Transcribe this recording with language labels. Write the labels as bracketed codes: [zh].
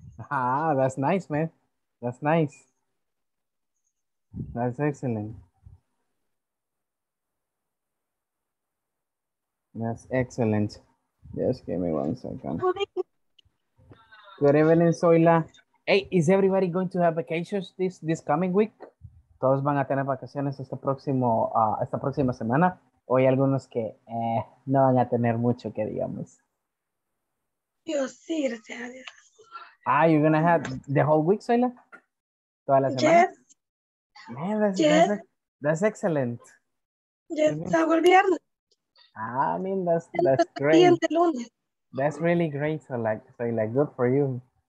[en] Ah, that's nice, man. That's nice. That's excellent. That's excellent. Just give me 1 second. Good evening, Zoila. Hey, is everybody going to have vacations this coming week? [es] ¿Todos van a tener vacaciones esta próxima semana? ¿O hay algunos que no van a tener mucho que digamos? Dios, sí, gracias a Dios. [en] Ah, you're going to have the whole week, Zoila? [es] ¿Toda la semana? [en] Yes. Man, that's excellent. [es] Yes, hago el viernes. [en] Ah, I mean, that's great. [es] El siguiente lunes. [en] That's really great, so good for you.